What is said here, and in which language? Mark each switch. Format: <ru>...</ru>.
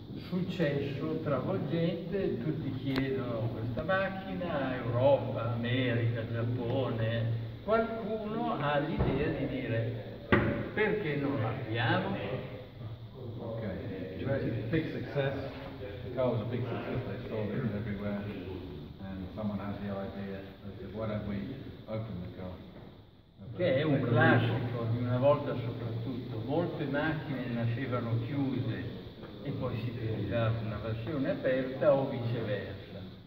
<it>Successo travolgente, tutti chiedono questa macchina, Europa, America, Giappone, qualcuno ha l'idea di dire perché non l'abbiamo?</it> <en>Ok, big success, the car was a big success, they sold it everywhere, and someone has the idea, why don't we open the car?</en> <it>Che è un classico di una volta soprattutto, molte macchine nascevano chiuse, e poi si diventava una versione aperta o viceversa.</it>